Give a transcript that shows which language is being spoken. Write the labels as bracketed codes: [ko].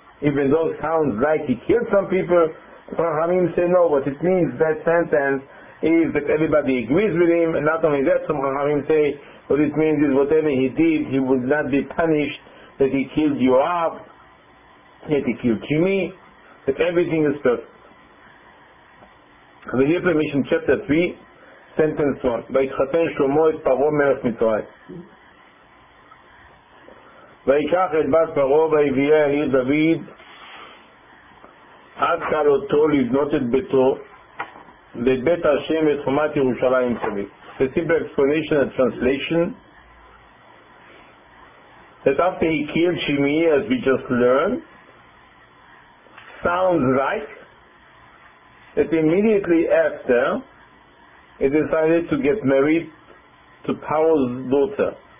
[en] Even though it sounds like he killed some people, Chachamim say no, what it means, that sentence, is that everybody agrees with him, and not only that, some Chachamim say, what it means is whatever he did, he would not be punished, that he killed Yoav, that he killed Jimmy, that everything is perfect. We hear permission, chapter 3, sentence 1. [he] Vayichaten Shlomo et Paro melech Mitzrayim. ויקח את בת פרעה ויביאה העיר דוד עד כלותו לבנות את ביתו לבית השם את חומת ירושלים סביב. [en] The simple explanation and translation that after he killed Shimei, as we just learned, sounds like that immediately after he decided to get married to Paro's daughter.